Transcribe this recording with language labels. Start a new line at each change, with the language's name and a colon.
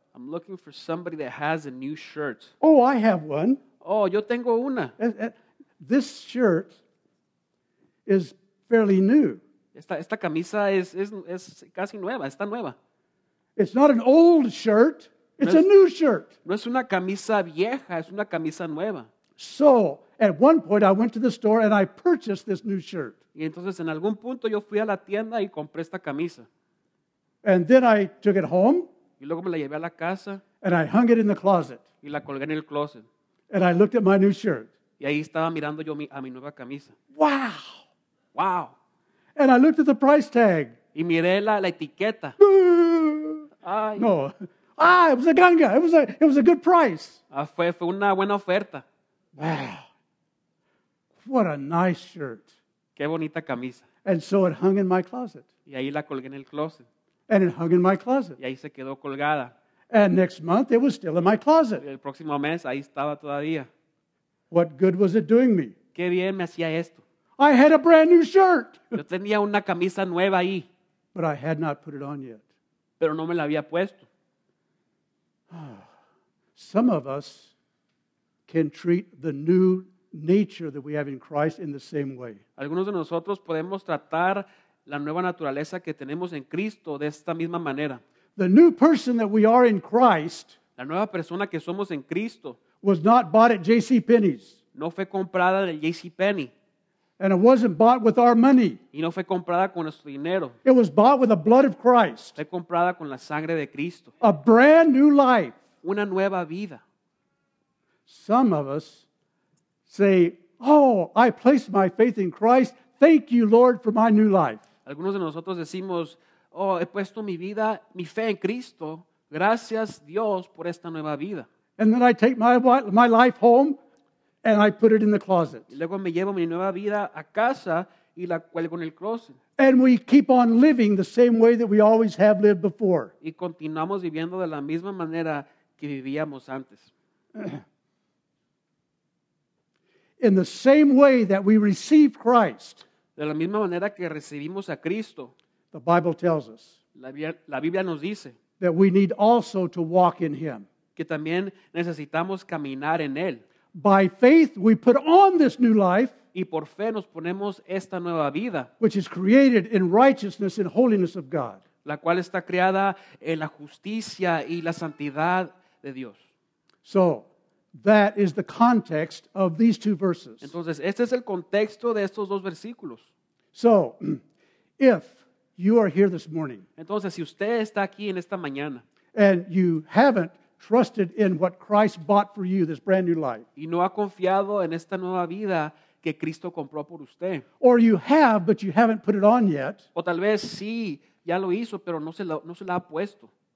English: I'm looking for somebody that has a new shirt. Oh, I have one.
Spanish: Oh, yo tengo una.
English: This shirt is fairly new.
Spanish: Esta camisa es casi nueva, está nueva.
English: It's not an old shirt, it's a new shirt.
Spanish: No es una camisa vieja, es una camisa nueva.
English: So, at one point I went to the store and I purchased this new shirt.
Spanish: Y entonces en algún punto yo fui a la tienda y compré esta camisa.
English: And then I took it home.
Spanish: Y luego me la llevé a la casa.
English: And I hung it in the closet.
Spanish: Y la colgué en el closet.
English: And I looked at my new shirt.
Spanish: Y ahí estaba mirando yo a mi nueva camisa. Wow! Wow!
English: And I looked at the price tag.
Spanish: Y miré la etiqueta.
English: Ay. No. Ah, it was a ganga. It was a good price.
Spanish: Ah, fue una buena oferta.
English: Wow. What a nice shirt.
Spanish: Qué bonita camisa.
English: And so it hung in my closet.
Spanish: Y ahí la colgué en el closet.
English: And it hung in my closet.
Spanish: Y ahí se quedó colgada.
English: And next month it was still in my closet.
Spanish: Y el próximo mes ahí estaba todavía.
English: What good was it doing me?
Spanish: Qué bien me hacía esto.
English: I had a brand new shirt.
Spanish: Yo tenía una camisa nueva ahí.
English: But I had not put it on yet.
Spanish: Pero no me la había puesto.
English: Some of us can treat the new nature that we have in Christ in the same way.
Spanish: Algunos de nosotros podemos tratar la nueva naturaleza que tenemos en Cristo de esta misma manera.
English: The new person that we are in Christ,
Spanish: la nueva persona que somos en Cristo,
English: was not bought at J.C. Penney's.
Spanish: No fue comprada en el J.C. Penney.
English: And it wasn't bought with our money.
Spanish: Y no fue comprada con nuestro dinero.
English: It was bought with the blood of Christ.
Spanish: Fue comprada con la sangre de Cristo.
English: A brand new life.
Spanish: Una nueva vida.
English: Some of us say, oh, I placed my faith in Christ. Thank you, Lord, for my new life.
Spanish: Algunos de nosotros decimos, oh, he puesto mi vida, mi fe en Cristo. Gracias, Dios, por esta nueva vida.
English: And then I take my life home. And I put it in the closet.
Spanish: Luego me llevo mi nueva vida a casa y la cuelgo en el closet.
English: And we keep on living the same way that we always have lived before.
Spanish: Y continuamos viviendo de la misma manera que vivíamos antes.
English: In the same way that we receive Christ.
Spanish: De la misma manera que recibimos a Cristo.
English: The Bible tells us.
Spanish: La Biblia nos dice.
English: That we need also to walk in Him.
Spanish: Que también necesitamos caminar en Él.
English: By faith we put on this new life,
Spanish: y por fe nos ponemos esta nueva vida,
English: which is created in righteousness and holiness of God,
Spanish: la cual está creada en la justicia y la santidad de Dios.
English: So, That is the context of these two verses.
Spanish: Entonces, este es el contexto de estos dos versículos.
English: So, if you are here this morning,
Spanish: entonces, si usted está aquí en esta mañana,
English: and you haven't trusted in what Christ bought for you, this brand new life,
Spanish: y no ha confiado en esta nueva vida que Cristo compró por usted,
English: or you have, but you haven't put it on yet,
Spanish: o tal vez sí, ya lo hizo, pero no se la ha puesto.